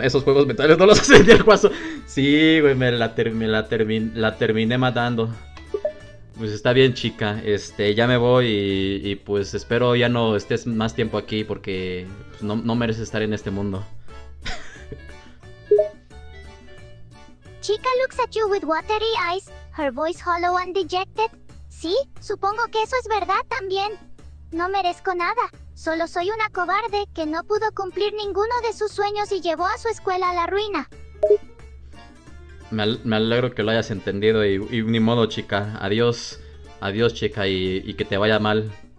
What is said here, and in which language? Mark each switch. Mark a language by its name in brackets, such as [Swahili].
[Spanish] Esos juegos mentales no los hace ni el guasón. Sí, güey, me la terminé matando. Pues está bien, chica. Ya me voy y pues espero ya no estés más tiempo aquí porque pues, no mereces estar en este mundo. [English] Chica looks at you with watery eyes, her voice hollow and dejected. [Spanish] Sí, supongo que eso es verdad también. No merezco nada. Solo soy una cobarde que no pudo cumplir ninguno de sus sueños y llevó a su escuela a la ruina. Me alegro que lo hayas entendido y ni modo, chica. Adiós. Adiós, chica, y que te vaya mal.